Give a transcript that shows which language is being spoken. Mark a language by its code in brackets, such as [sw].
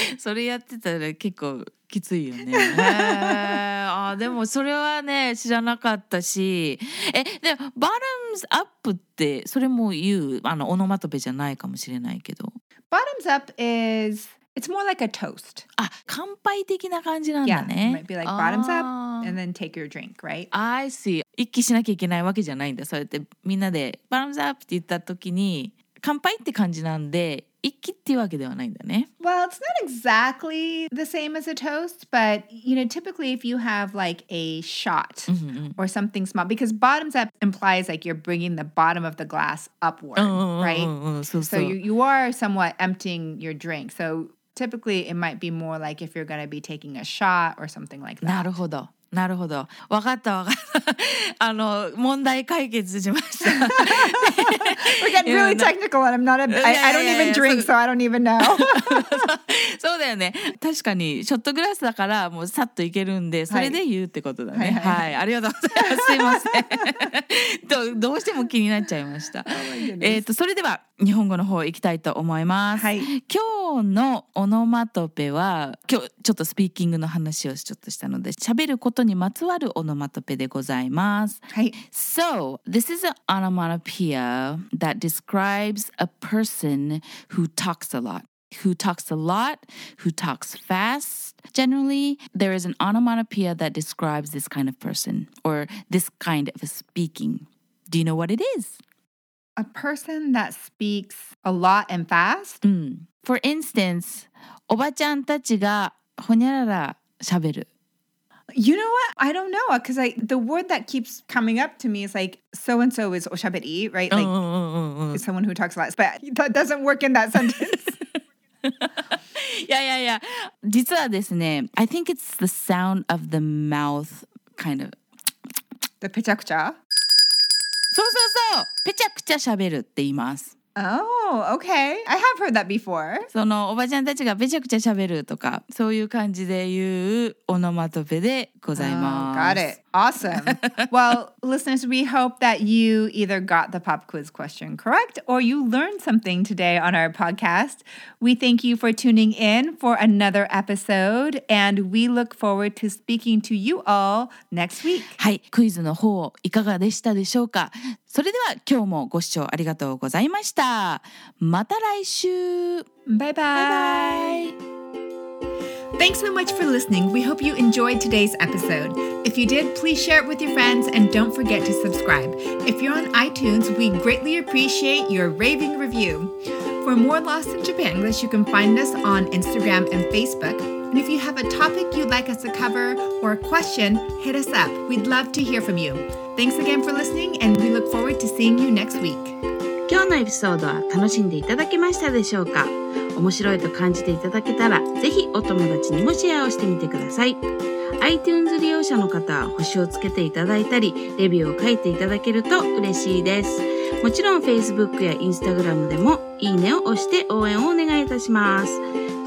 [ja] それやってたら結構きついよね。あ、でもそれはね、知らなかったし。え、でも、bottoms up って、それも言う、あの、オノマトペじゃないかもしれないけど。 [en] Bottoms up is... It's more like a toast. [ja] Ah, 乾杯的な感じなんだね。 [en] Yeah, it might be like bottoms up, and then take your drink, right? I see. [ja] 一気しなきゃいけないわけじゃないんだ。そうやってみんなで bottoms up って言った時に、乾杯って感じなんで、一気っていうわけではないんだね。 [en] Well, it's not exactly the same as a toast, but, you know, typically if you have like a shot or something small, because bottoms up implies like you're bringing the bottom of the glass upward, right? So you are somewhat emptying your drink. So typically it might be more like if you're going to be taking a shot or something like that. [ja] なるほど。なるほど。わかったわかった。あの、問題解決しました。 [en] We're getting really technical and I'm not a... I don't even drink, so I don't even know. [ja] そうだよね。確かに、ショットグラスだからもうさっといけるんで、それで言うってことだね。はい。はいはいはい、ありがとうございます。すいません。どうしても気になっちゃいました。 Oh、それでは、日本語の方行きたいと思います。はい、今日のオノマトペは、今日ちょっとスピーキングの話をちょっとしたので、喋ることにまつわるオノマトペでございます。はい。 [en] So, this is an onomatopoeia that describes a person who talks a lot. Who talks a lot, who talks fast. Generally, there is an onomatopoeia that describes this kind of person or this kind of speaking. Do you know what it is? A person that speaks a lot and fast? Mm. For instance, [ja] おばちゃんたちがほにゃらら喋る。 [en] You know what? I don't know. Because the word that keeps coming up to me is like, so-and-so is おしゃべり, right? Like, is someone who talks a lot. But that doesn't work in that sentence. Yeah. [ja] 実はですね, [en] I think it's the sound of the mouth kind of... The ぺちゃくちゃ? [ja] そう、ぺちゃくちゃ喋るって言います。 [en] Oh, okay. I have heard that before. [ja] そのおばちゃんたちがぺちゃくちゃ喋るとか、そういう感じで言うオノマトペでございます。 [en] Oh, got it. Awesome. Well, listeners, we hope that you either got the pop quiz question correct or you learned something today on our podcast. We thank you for tuning in for another episode and we look forward to speaking to you all next week. [ja] はい、クイズの方いかがでしたでしょうか?それでは今日もご視聴ありがとうございました。また来週。バイバイ。 [en] Thanks so much for listening. We hope you enjoyed today's episode. If you did, please share it with your friends and don't forget to subscribe. If you're on iTunes, we greatly appreciate your raving review. For more Lost in Japanglish, you can find us on Instagram and Facebook. And if you have a topic you'd like us to cover or a question, hit us up. We'd love to hear from you. Thanks again for listening and we look forward to seeing you next week. [ja] 今日のエピソードは楽しんでいただけましたでしょうか。面白いと感じていただけたら、ぜひお友達にもシェアをしてみてください。 iTunes 利用者の方は星をつけていただいたり、レビューを書いていただけると嬉しいです。もちろん Facebook や Instagram でもいいねを押して応援をお願いいたします。